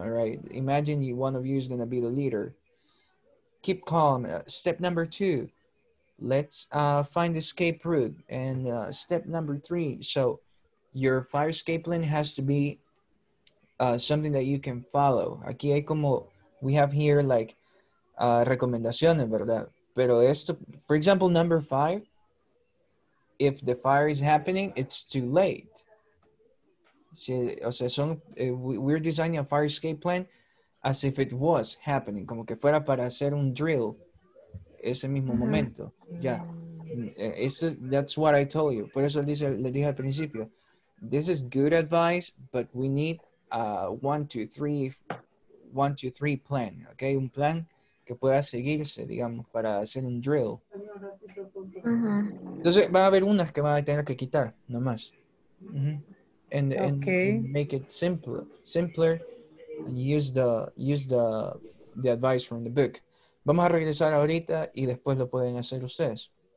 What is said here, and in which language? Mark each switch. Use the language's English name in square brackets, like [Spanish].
[English] All right, imagine one of you is going to be the leader. Keep calm. Step number two, let's find escape route. And step number three, so your fire escape plan has to be something that you can follow. [Spanish] Aquí hay como, [English] we have here like [Spanish] recomendaciones, ¿verdad? Pero esto, [English] for example, number five, if the fire is happening, it's too late. [Spanish] Si, o sea, son, [English] we're designing a fire escape plan as if it was happening, [Spanish] como que fuera para hacer un drill ese mismo mm-hmm. momento. [English] Yeah, that's what I told you. [Spanish] Por eso le dije al principio, [English] this is good advice, but we need a one, two, three plan, okay? [Spanish] Un plan que pueda seguirse, digamos, para hacer un drill. Mm-hmm. Entonces, va a haber unas que van a tener que quitar, nomás. [English] Mm-hmm. And, okay. And make it simpler and use the advice from the book. [Spanish] Vamos a regresar ahorita y después lo pueden hacer ustedes.